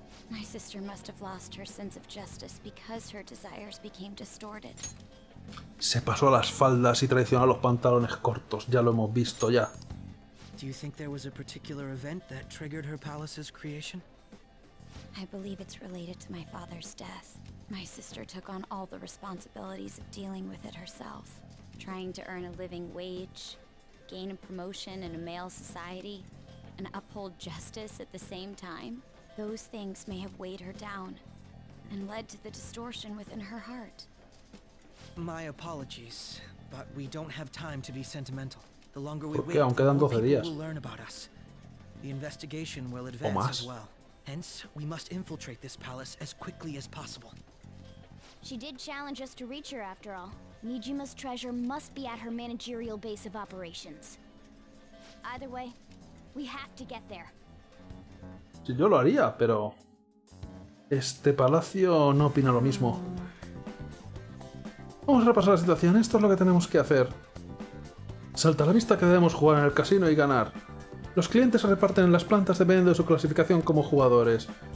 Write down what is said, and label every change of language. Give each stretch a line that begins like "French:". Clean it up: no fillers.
English: My sister must have lost her sense of justice because her desires became distorted.
Spanish: Se pasó a las faldas y traicionó a los pantalones cortos. Ya lo hemos visto ya.
English: Do you think there was a particular event that triggered her palace's creation? I believe it's related to my father's death. My sister took on all the responsibilities of dealing with it herself, trying to earn a living wage, gain a promotion in a male society, and uphold justice at the same time. Those things may have weighed her down and led to the distortion within her heart. My apologies, but we don't have time to be sentimental. The longer we wait,
Spanish: aún quedan 12 días.
English: We'll learn about us. The investigation will advance as well. Hence, we must infiltrate this palace as quickly as possible. She did challenge us to reach her after all. Nijima's treasure must be at her managerial base of operations. Either way, we have to get there.
Spanish: Sí, yo lo haría, pero este palacio no opina lo mismo. Vamos a repasar la situación. Esto es lo que tenemos que hacer. Salta a la vista que debemos jugar en el casino y ganar. Los clientes se reparten en las plantas dependiendo de su clasificación como jugadores.